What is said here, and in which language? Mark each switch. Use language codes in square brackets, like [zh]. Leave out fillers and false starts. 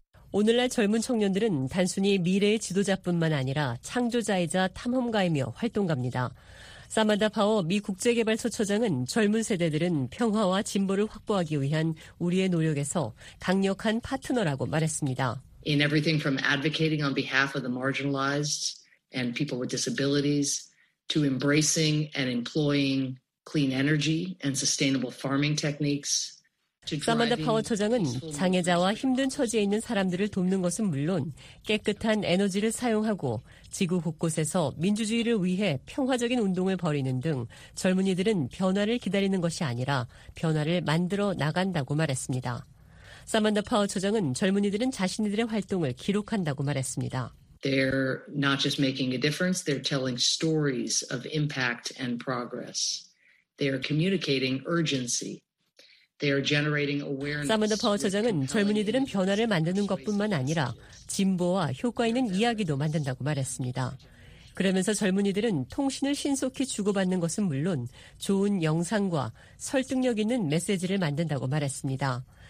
[ko] 오늘날 젊은 청년들은 단순히 미래의 지도자뿐만 아니라 창조자이자 탐험가이며 활동가입니다. 사만다 파워 미 국제개발처처장은 젊은 세대들은 평화와 진보를 확보하기 위한 우리의 노력에서 강력한 파트너라고 말했습니다. [en] In everything from advocating on behalf of the marginalized and people with disabilities to embracing and employing clean energy and sustainable farming techniques. [ko] 사만다 파워 처장은 장애자와 힘든 처지에 있는 사람들을 돕는 것은 물론 깨끗한 에너지를 사용하고 지구 곳곳에서 민주주의를 위해 평화적인 운동을 벌이는 등 젊은이들은 변화를 기다리는 것이 아니라 변화를 만들어 나간다고 말했습니다. 사만다 파워 처장은 젊은이들은 자신들의 활동을 기록한다고 말했습니다. [en] They're not just making a difference, they're telling stories of impact and progress. They are communicating urgency. They are generating awareness. [ko] 사만다 파워 처장은 젊은이들은 변화를 만드는 것뿐만 아니라 진보와 효과 있는 이야기도 만든다고 말했습니다. 그러면서 젊은이들은 통신을 신속히 주고받는 것은 물론 좋은 영상과 설득력 있는 메시지를 만든다고 말했습니다.